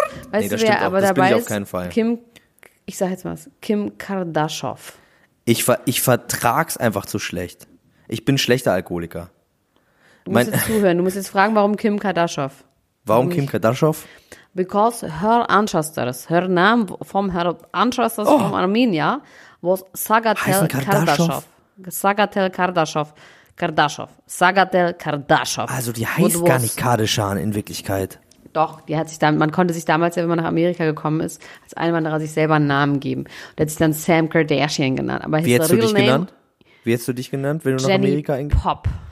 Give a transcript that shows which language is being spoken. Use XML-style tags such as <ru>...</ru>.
<de>Weißt du, wer aber dabei ist? Das bin ich auf keinen Fall. Ich sag jetzt mal was. Kim Kardashian. Ich vertrag's einfach zu schlecht. Ich bin schlechter Alkoholiker. Du musst jetzt fragen, warum Kim Kardashian. Warum Kim Kardashian?</de> <en>Because her ancestors, her name from her ancestors from Armenia was Sagatel Kardashian. Sagatel Kardashian. Sagatel Kardashian.</en> <de>Also die heißt gar nicht Kardashian in Wirklichkeit. Doch, die hat sich dann, man konnte sich damals, wenn man nach Amerika gekommen ist, als Einwanderer sich selber einen Namen geben. Und hat sich dann Sam Kardashian genannt. Aber wie hättest du dich genannt? Wie hättest du dich genannt, wenn du Jenny nach Amerika Jenny Pop.</de>